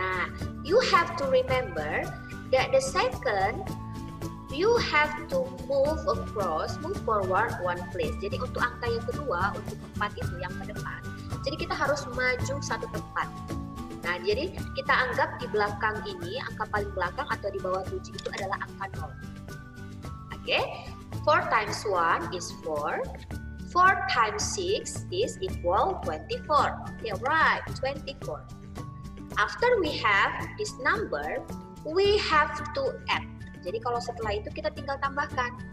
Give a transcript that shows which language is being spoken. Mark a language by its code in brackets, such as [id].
[en] Nah, you have to remember that the second you have to move forward one place. [id] Jadi untuk angka yang kedua, untuk tempat itu yang ke depan. Jadi kita harus maju satu tempat. Nah, jadi kita anggap di belakang ini angka paling belakang atau di bawah 7 itu adalah angka 0. Okay? [en] 4 times 1 is 4. 4 times 6 is equal 24. Okay, right, 24. After we have this number, we have to add. [id] Jadi kalau setelah itu kita tinggal tambahkan.